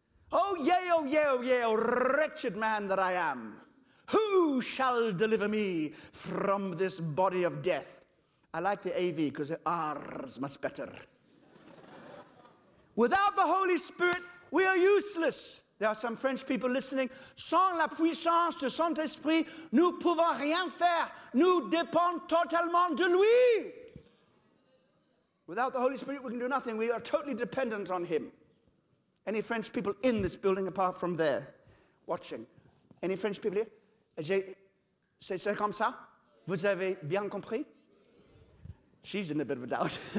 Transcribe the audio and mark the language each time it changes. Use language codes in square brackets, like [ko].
[en] Oh, yea, oh, yea, oh, yea, oh, wretched man that I am. Who shall deliver me from this body of death? I like the AV because the R's much better. Without the Holy Spirit, we are useless. There are some French people listening. [fr] Sans la puissance de Saint-Esprit, nous pouvons rien faire. Nous dépendons totalement de lui. [en] Without the Holy Spirit, we can do nothing. We are totally dependent on him. Any French people in this building apart from there watching? Any French people here? [fr] C'est comme ça? Vous avez bien compris? [en] She's in a bit of a doubt.